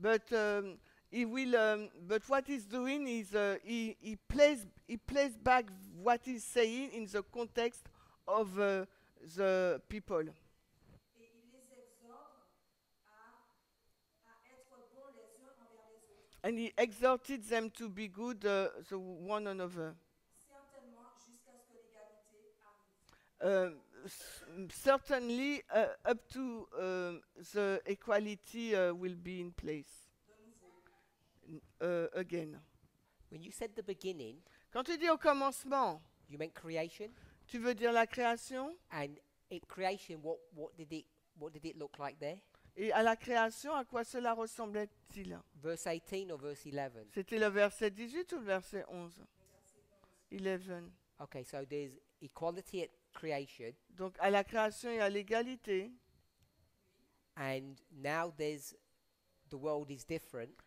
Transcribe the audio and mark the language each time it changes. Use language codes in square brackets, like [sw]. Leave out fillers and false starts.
[en] But what he's doing is he plays back what he's saying in the context of the people. [fr] Et il les exhorte à être bons les uns envers les autres. [en] And he exhorted them to be good the one another. [fr] Certainement jusqu'à ce que l'égalité [en] certainly up to the equality will be in place. Again. When you said the beginning, [fr] quand tu dis au commencement, [en] you meant creation? [fr] Tu veux dire la création? [en] And in creation, what did it look like there? [fr] Et à la création, à quoi cela ressemblait-il? [en] Verse 18 or verse 11? [fr] C'était le verset 18 ou le verset 11? 11. [en] Okay, so there's equality at creation. [fr] Donc à la création, il y a l'égalité. [en] And now there's the world is different.